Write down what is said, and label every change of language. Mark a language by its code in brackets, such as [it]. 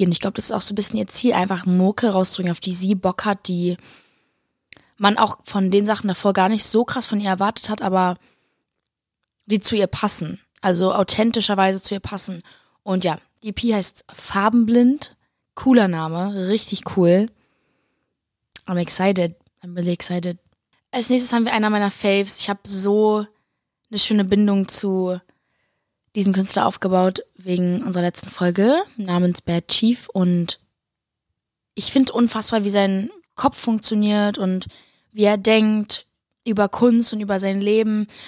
[de] Und ich glaube, das ist auch so ein bisschen ihr Ziel, einfach Mucke rauszubringen, auf die sie Bock hat, die man auch von den Sachen davor gar nicht so krass von ihr erwartet hat, aber die zu ihr passen, also authentischerweise zu ihr passen. Und ja, die EP heißt Farbenblind, cooler Name, richtig cool. [en] I'm excited, I'm really excited. [de] Als nächstes haben wir einer meiner Faves. Ich habe so eine schöne Bindung zu diesem Künstler aufgebaut, wegen unserer letzten Folge namens Bad Chief. Und ich finde unfassbar, wie sein Kopf funktioniert und wie er denkt über Kunst und über sein Leben.